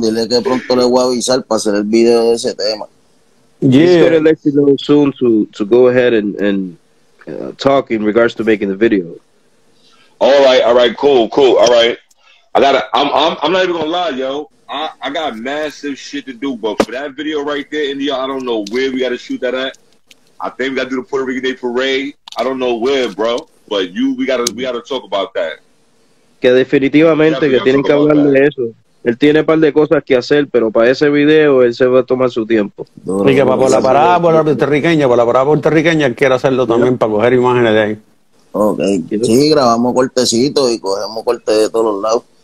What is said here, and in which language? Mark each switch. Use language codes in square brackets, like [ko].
[es] Dile que pronto le voy a avisar para hacer el video de ese tema. [en] Yeah. He's going to let you know soon to go ahead and talk in regards to making the video. All right. Cool. All right. I'm not even gonna lie, yo. I got massive shit to do, but for that video right there, India, I don't know where we gotta shoot that at. I think we gotta do the Puerto Rican Day Parade. I don't know where, bro, but we gotta talk about that. [es] Que definitivamente que tienen que hablar de eso. Él tiene un par de cosas que hacer, pero para ese video él se va a tomar su tiempo. Y que para la parada puertorriqueña, para la parada puertorriqueña, él quiere hacerlo también para coger imágenes de ahí. Ok, sí, grabamos cortecitos y cogemos cortes de todos lados.